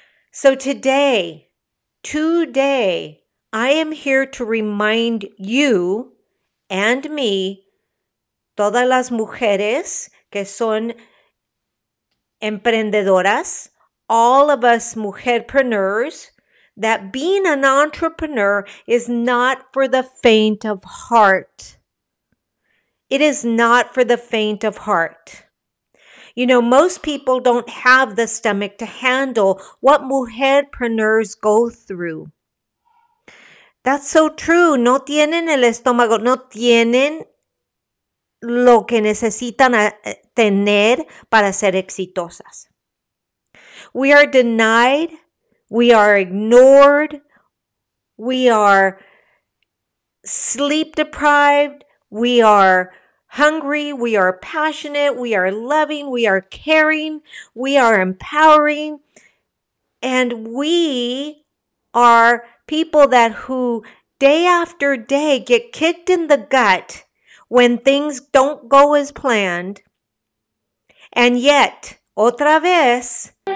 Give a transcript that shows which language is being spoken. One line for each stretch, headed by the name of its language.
English: So today, I am here to remind you and me,
Spanish: todas las mujeres que son emprendedoras,
English: all of us mujerpreneurs, that being an entrepreneur is not for the faint of heart. It is not for the faint of heart. You know, most people don't have the stomach to handle what mujerpreneurs go through. That's so true.
Spanish: No tienen el estómago, no tienen lo que necesitan tener para ser exitosas.
English: We are denied, we are ignored, we are sleep deprived, we are hungry, we are passionate, we are loving, we are caring, we are empowering, and we are people that who day after day get kicked in the gut when things don't go as planned, and yet,
Spanish: otra vez.